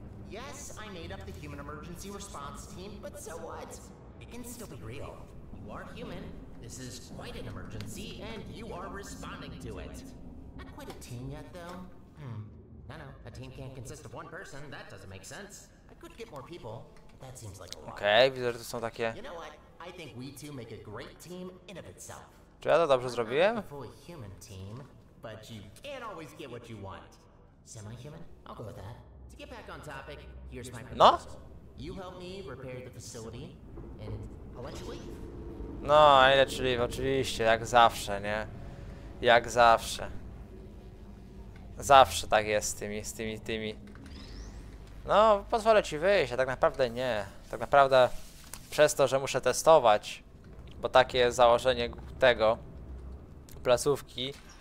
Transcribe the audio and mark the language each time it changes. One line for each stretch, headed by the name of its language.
English: Yes, I made up the human emergency response team, but so what? It can still be real. You are human. This is quite an emergency, and you are responding to it. Not quite a team yet, though. I know, a team can't consist of one person. That doesn't make sense. I could get more people, but that seems like a lot.
Polish: Okay, widzę, że to są takie.
English: You know what? I think we two make a great team in of itself.
Polish: Czy ja to dobrze zrobiłem?
English: Fully human team, but you can't always get what you want. Semi-human? I'll go with that. To get back on topic, here's my proposal. No? You help me repair the facility, and I'll let you leave.
Polish: No, ale czyli oczywiście, jak zawsze, nie? Jak zawsze. Zawsze tak jest z tymi. No, pozwolę ci wyjść, a tak naprawdę nie. Tak naprawdę przez to, że muszę testować, bo takie jest założenie tego placówki.